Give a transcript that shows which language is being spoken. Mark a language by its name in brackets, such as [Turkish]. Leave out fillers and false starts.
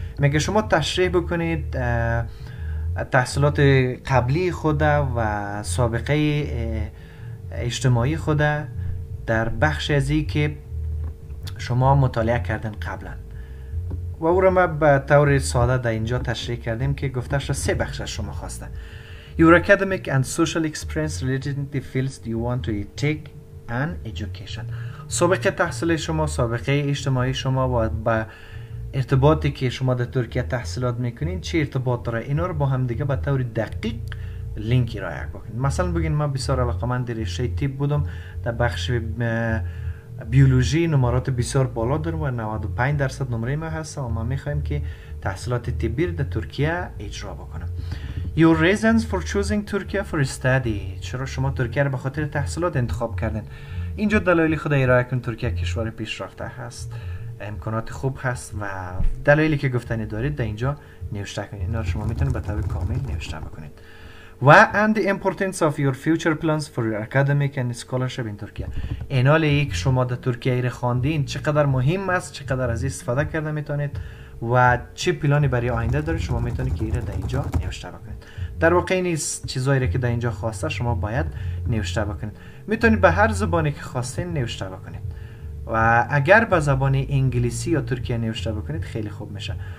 [Persian] میگه شما تشریح بکنید تحصیلات قبلی خود و سابقه اجتماعی خود در بخش از این که شما مطالعه کردن قبلا، و او را ما به طور ساده در اینجا تشریح کردیم که گفتش را سه بخش از شما خواسته. [English] Your academic and social experience related to the fields you want to take and education. [Persian] سابقه تحصیل شما، سابقه اجتماعی شما و با ارتباطی که شما در ترکیه تحصیلات میکنین چه ارتباط داره، اینا رو با هم دیگه به طور دقیق لینک ارائه بکنین. مثلا بگین من بسیار علاقه من در رشته طب بودم، در بخش بیولوژی نمرات بسیار بالا دارم و 95% نمره ما هست و ما میخواییم که تحصیلات طبی در ترکیه اجرا بکنم. [English] Your reasons for choosing Turkey for study. [Persian] چرا شما ترکیه رو به خاطر تحصیلات انتخاب کردین؟ اینجا دلایل خود ارائه کن. ترکیه کشور پیشرفته هست، امکانات خوب هست و دلایلی که گفتنی دارید در اینجا نوشته کنید. اینا رو شما میتونید به طور کامل نوشته بکنید. [English] و and the importance of your future plans for your academic and scholarship in Turkey. [Persian] اینال یک شما در ترکیه ایر خواندین چقدر مهم است، چقدر از استفاده کرده میتونید و چه پلانی برای آینده دارید، شما میتونید که ایره در اینجا نوشته بکنید. در واقع این چیزایی که در اینجا خواسته شما باید نوشته بکنید. میتونید به هر زبانی که خواستین نوشته بکنید و اگر به زبان انگلیسی یا ترکیه نوشته بکنید خیلی خوب میشه.